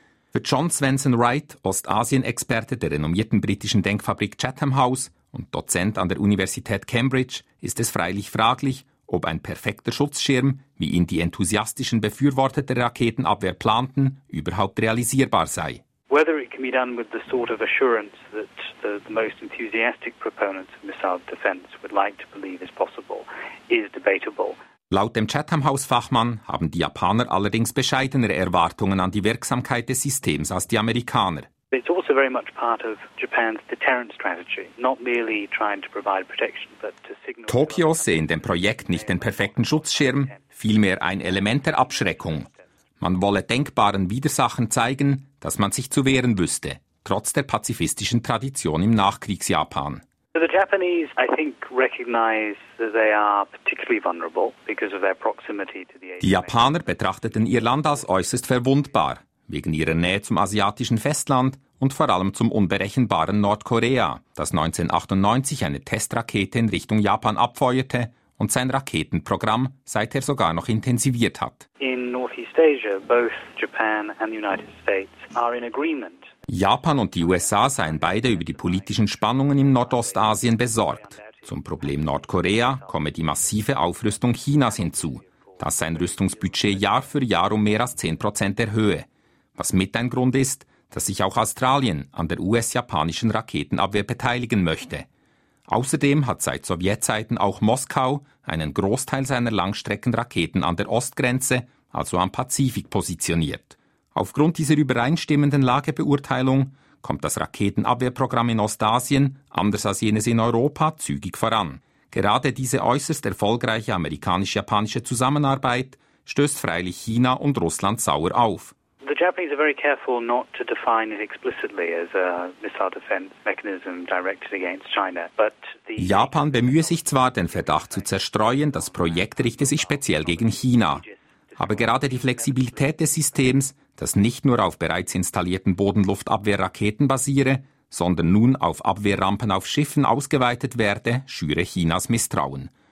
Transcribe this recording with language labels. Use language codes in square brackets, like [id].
[de] Für John Swenson Wright, Ostasien-Experte der renommierten britischen Denkfabrik Chatham House und Dozent an der Universität Cambridge, ist es freilich fraglich, ob ein perfekter Schutzschirm, wie ihn die enthusiastischen Befürworter der Raketenabwehr planten, überhaupt realisierbar sei. [en] Whether it can be done with the sort of assurance that the most enthusiastic proponents of missile defense would like to believe is possible, is debatable. [de] Laut dem Chatham House-Fachmann haben die Japaner allerdings bescheidenere Erwartungen an die Wirksamkeit des Systems als die Amerikaner. [en] It's also very much part of Japan's deterrent strategy, not merely trying to provide protection, but to signal. [de] Tokio sehe in dem Projekt nicht den perfekten Schutzschirm, vielmehr ein Element der Abschreckung. Man wolle denkbaren Widersachen zeigen, dass man sich zu wehren wüsste, trotz der pazifistischen Tradition im Nachkriegsjapan. [en] The Japanese, I think, recognize that they are particularly vulnerable because of their proximity to the. [de] Die Japaner betrachteten ihr Land als äußerst verwundbar wegen ihrer Nähe zum asiatischen Festland und vor allem zum unberechenbaren Nordkorea, das 1998 eine Testrakete in Richtung Japan abfeuerte und sein Raketenprogramm seither sogar noch intensiviert hat. [en] In Northeast Asia, both Japan and the United States are in agreement. [de] Japan und die USA seien beide über die politischen Spannungen in Nordostasien besorgt. Zum Problem Nordkorea komme die massive Aufrüstung Chinas hinzu, das sein Rüstungsbudget Jahr für Jahr um mehr als 10% erhöhe. Was mit ein Grund ist, dass sich auch Australien an der US-japanischen Raketenabwehr beteiligen möchte. Außerdem hat seit Sowjetzeiten auch Moskau einen Großteil seiner Langstreckenraketen an der Ostgrenze, also am Pazifik, positioniert. Aufgrund dieser übereinstimmenden Lagebeurteilung kommt das Raketenabwehrprogramm in Ostasien, anders als jenes in Europa, zügig voran. Gerade diese äußerst erfolgreiche amerikanisch-japanische Zusammenarbeit stößt freilich China und Russland sauer auf. [en] The Japanese are very careful not to define it explicitly as a missile defense mechanism directed against China, but the. [de] Japan bemühe sich zwar, den Verdacht zu zerstreuen, das Projekt richte sich speziell gegen China. Aber gerade die Flexibilität des Systems, das nicht nur auf bereits installierten Bodenluftabwehrraketen basiere, sondern nun auf Abwehrrampen auf Schiffen ausgeweitet werde, schüre Chinas Misstrauen.